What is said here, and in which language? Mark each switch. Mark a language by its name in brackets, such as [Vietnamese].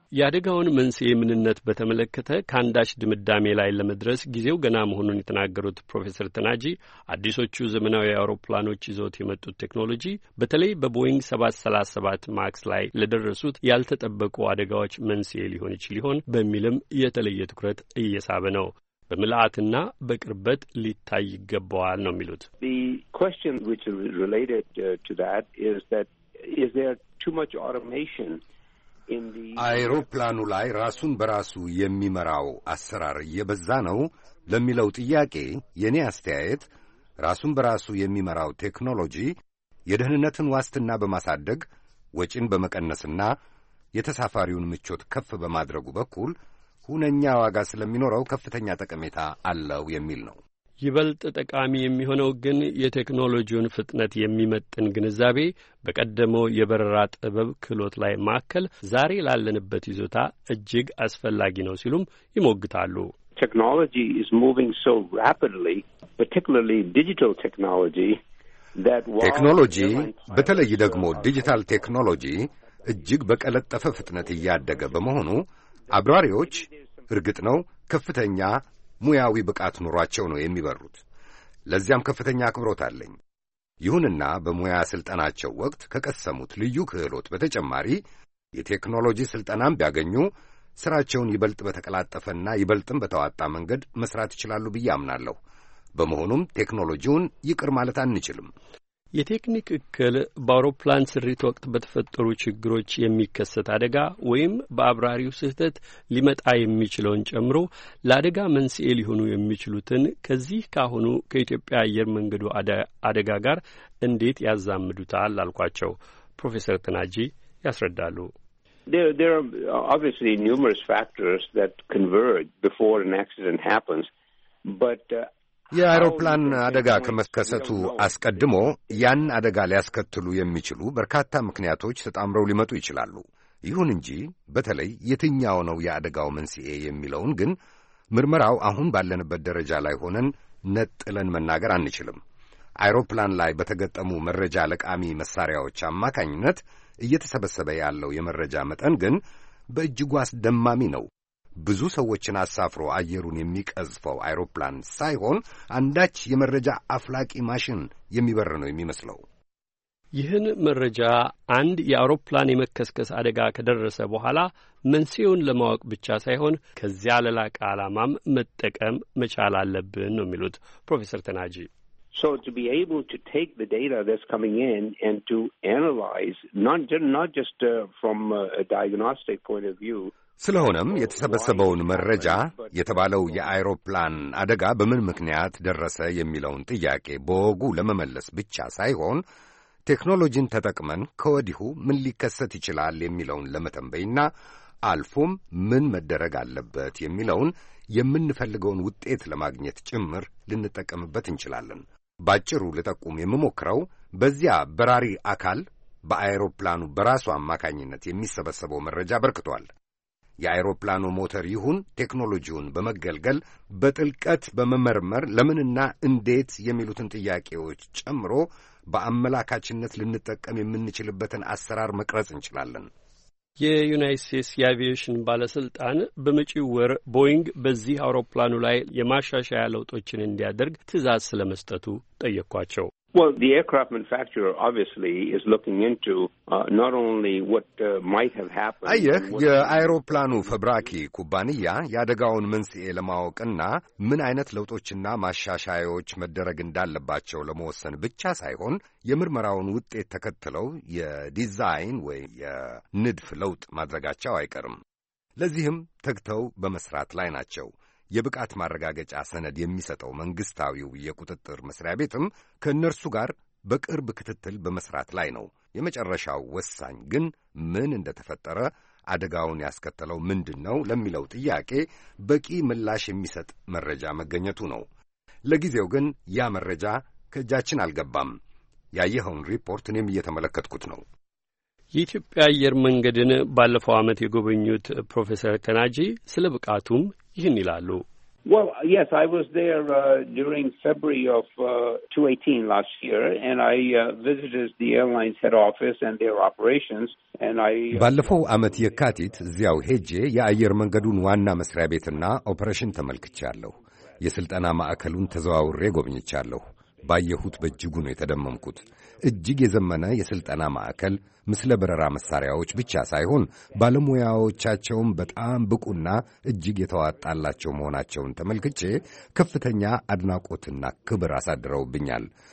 [Amharic] የአደጋውን መንስኤ ምንነት በተመለከተ ከአንዳች ድምዳሜ ላይ ለመድረስ ጊዜው ገና መሆኑን የተናገሩት ፕሮፌሰር ተናጂ አዲሶቹ ዘመናዊ አውሮፕላኖች ይዘውት የመጡት ቴክኖሎጂ በተለይ በቦይንግ 737 ማክስ ላይ ለደረሱት ያልተጠበቁ አደጋዎች መንስኤ ሊሆን ይችል ይሆን በሚልም የተለየ ትኩረት እየሳበ ነው። በምልአትና በቅርበት ሊታይ ይገባዋል ነው የሚሉት። [English] The question which is related to that is that is there too much automation? [Amharic] አይሮፕላኑ ላይ ራሱን በራሱ የሚመራው አሰራር የበዛ ነው ለሚለው ጥያቄ የኔ አስተያየት ራሱን በራሱ የሚመራው ቴክኖሎጂ የደህንነትን ዋስትና በማሳደግ ወጪን በመቀነስና የተሳፋሪውን ምቾት ከፍ በማድረጉ በኩል ሁነኛ ዋጋ ስለሚኖረው ከፍተኛ ጠቀሜታ አለው የሚል ነው። ይበልጥ ጠቃሚ የሚሆነው ግን የቴክኖሎጂውን ፍጥነት የሚመጥን ግንዛቤ በቀደመው የበረራ ጥበብ ክህሎት ላይ ማከል ዛሬ ላለንበት ይዞታ እጅግ አስፈላጊ ነው ሲሉም ይሞግታሉ። [English] Technology is moving so rapidly, particularly digital technology, that while [Amharic] technology, በተለይ ደግሞ ዲጂታል ቴክኖሎጂ እጅግ በቀለጠፈ ፍጥነት እያደገ በመሆኑ አብራሪዎች እርግጥ ነው ከፍተኛ ሙያዊ ብቃት ኑሯቸው ነው የሚበሩት። ለዚያም ከፍተኛ አክብሮት አለኝ። ይሁንና በሙያ ስልጠናቸው ወቅት ከቀሰሙት ልዩ ክህሎት በተጨማሪ የቴክኖሎጂ ስልጠናም ቢያገኙ ስራቸውን ይበልጥ በተቀላጠፈና ይበልጥም በተዋጣ መንገድ መስራት ይችላሉ ብዬ አምናለሁ። በመሆኑም ቴክኖሎጂውን ይቅር ማለት አንችልም። የቴክኒክ እክል በአውሮፕላን ስሪት ወቅት በተፈጠሩ ችግሮች የሚከሰት አደጋ ወይም በአብራሪው ስህተት ሊመጣ የሚችለውን ጨምሮ ለአደጋ መንስኤ ሊሆኑ የሚችሉትን ከዚህ ካሁኑ ከኢትዮጵያ አየር መንገዱ አደጋ ጋር እንዴት ያዛምዱታል አልኳቸው። ፕሮፌሰር ትናጂ ያስረዳሉ። [English] There are obviously numerous factors that converge before an accident happens, but [Amharic] የአውሮፕላን አደጋ ከመከሰቱ አስቀድሞ ያን አደጋ ሊያስከትሉ የሚችሉ በርካታ ምክንያቶች ተጣምረው ሊመጡ ይችላሉ። ይሁን እንጂ በተለይ የትኛው ነው የአደጋው መንስኤ የሚለውን ግን ምርመራው አሁን ባለንበት ደረጃ ላይ ሆነን ነጥለን መናገር አንችልም። አውሮፕላን ላይ በተገጠሙ መረጃ ለቃሚ መሳሪያዎች አማካኝነት እየተሰበሰበ ያለው የመረጃ መጠን ግን በእጅጉ አስደማሚ ነው። ብዙ ሰዎችን አሳፍሮ አየሩን የሚቀዝፈው አውሮፕላን ሳይሆን አንዳች የመረጃ አፍላቂ ማሽን የሚበር ነው የሚመስለው። ይህን መረጃ አንድ የአውሮፕላን የመከስከስ አደጋ ከደረሰ በኋላ መንስኤውን ለማወቅ ብቻ ሳይሆን ከዚያ ለላቀ ዓላማም መጠቀም መቻል አለብን ነው የሚሉት ፕሮፌሰር ተናጂ። [English] So to be able to take the data that's coming in and to analyze, not just from a diagnostic point of view, [Amharic] ስለሆነም የተሰበሰበውን መረጃ የተባለው የአውሮፕላን አደጋ በምን ምክንያት ደረሰ የሚለውን ጥያቄ በወጉ ለመመለስ ብቻ ሳይሆን ቴክኖሎጂን ተጠቅመን ከወዲሁ ምን ሊከሰት ይችላል የሚለውን ለመተንበይና አልፎም ምን መደረግ አለበት የሚለውን የምንፈልገውን ውጤት ለማግኘት ጭምር ልንጠቀምበት እንችላለን። ባጭሩ ለጠቁም የምሞክረው በዚያ በራሪ አካል በአውሮፕላኑ በራሱ አማካኝነት የሚሰበሰበው መረጃ በርክቷል። የአውሮፕላኑ ሞተር ይሁን ቴክኖሎጂውን በመገልገል በጥልቀት በመመርመር ለምንና እንዴት የሚሉትን ጥያቄዎች ጨምሮ በአመላካችነት ልንጠቀም የምንችልበትን አሰራር መቅረጽ እንችላለን። የዩናይትድ ስቴትስ የአቪዬሽን ባለስልጣን በመጪው ወር ቦይንግ በዚህ አውሮፕላኑ ላይ የማሻሻያ ለውጦችን እንዲያደርግ ትዕዛዝ ስለመስጠቱ ጠየቅኳቸው። [English] Well, the aircraft manufacturer obviously is looking into not only what might have happened. [Amharic] አየህ የአይሮፕላኑ ፈብራኪ ኩባንያ ያደጋውን መንስኤ ለማወቅና ምን አይነት ለውጦችና ማሻሻያዎች መደረግ እንዳለባቸው ለመወሰን ብቻ ሳይሆን የምርመራውን ውጤት ተከትለው የዲዛይን ወይ የንድፍ ለውጥ ማድረጋቸው አይቀርም። ለዚህም ተግተው በመስራት ላይ ናቸው። የብቃት ማረጋገጫ ሰነድ የሚሰጠው መንግስታዊው የቁጥጥር መስሪያ ቤትም ከነርሱ ጋር በቅርብ ክትትል በመስራት ላይ ነው። የመጨረሻው ወሳኝ ግን ምን እንደተፈጠረ አደጋውን ያስከተለው ምንድነው ለሚለው ጥያቄ በቂ ምላሽ የሚሰጥ መረጃ መገኘቱ ነው። ለጊዜው ግን ያ መረጃ ከእጃችን አልገባም። ያየኸውን ሪፖርት እኔም እየተመለከትኩት ነው። የኢትዮጵያ አየር መንገድን ባለፈው ዓመት የጎበኙት ፕሮፌሰር ተናጂ ስለ ብቃቱም ይህን ይላሉ። [English] Well, yes, I was there during February of 2018 last year, and I visited the airline's head office and their operations, and I [Amharic] ባለፈው ዓመት የካቲት እዚያው ሄጄ የአየር መንገዱን ዋና መስሪያ ቤትና ኦፕሬሽን ተመልክቻለሁ። የስልጠና ማዕከሉን ተዘዋውሬ ጎብኝቻለሁ። ባየሁት በእጅጉ ነው የተደመምኩት። እጅግ የዘመነ የስልጠና ማዕከል ምስለ በረራ መሳሪያዎች ብቻ ሳይሆን ባለሙያዎቻቸውም በጣም ብቁና እጅግ የተዋጣላቸው መሆናቸውን ተመልክቼ ከፍተኛ አድናቆትና ክብር አሳድረውብኛል።